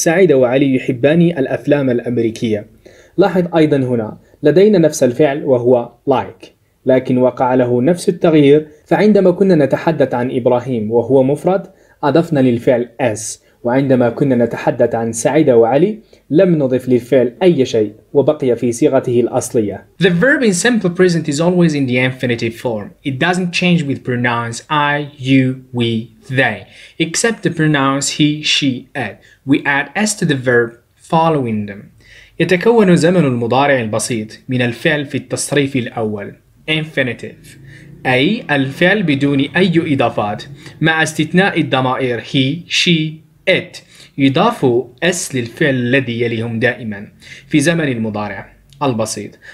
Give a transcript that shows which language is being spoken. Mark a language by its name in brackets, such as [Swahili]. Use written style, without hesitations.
[Arabic] سعيدة وعلي يحبان الأفلام الأمريكية. لاحظ أيضا هنا لدينا نفس الفعل وهو like، لكن وقع له نفس التغيير، فعندما كنا نتحدث عن إبراهيم وهو مفرد أضفنا للفعل s، وعندما كنا نتحدث عن سعيدة وعلي لم نضف للفعل أي شيء وبقي في صيغته الأصلية. [English] The verb in simple present is always in the infinitive form. It doesn't change with pronouns I, you, we, they, except the pronouns he, she, it. We add s to the verb following them. [Arabic] يتكون زمن المضارع البسيط من الفعل في التصريف الأول infinitive، أي الفعل بدون أي إضافات مع استثناء الضمائر he, she, it. يضاف s للفعل الذي يليهم دائما في زمن المضارع البسيط.